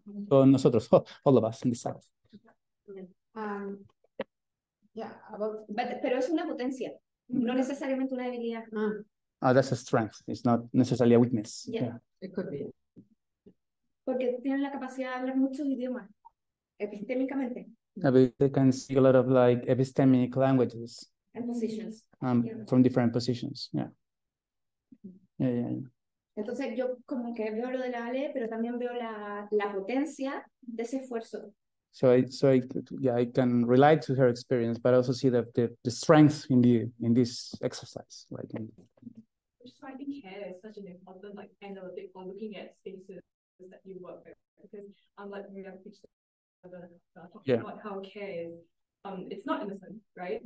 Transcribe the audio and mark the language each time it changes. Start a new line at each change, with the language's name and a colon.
English: Oh,
Spanish: nosotros,
English: all of us in the south. Yeah,
Spanish: pero es una potencia, no necesariamente una debilidad.
English: Ah, that's a strength. It's not necessarily a weakness. Yeah. It could be.
Spanish: Porque tienen la capacidad de hablar muchos idiomas, epistémicamente.
English: They can speak a lot of like epistemic languages. And positions. From different positions. Yeah.
Spanish: Entonces yo como que veo lo de la Ale, pero también veo la potencia de ese esfuerzo.
English: So I can relate to her experience, but also see the strength in this exercise. Like, which is why I think care is such an important like analytic for looking at spaces that you work with, because unlike we have pitched about how care is, it's not innocent, right?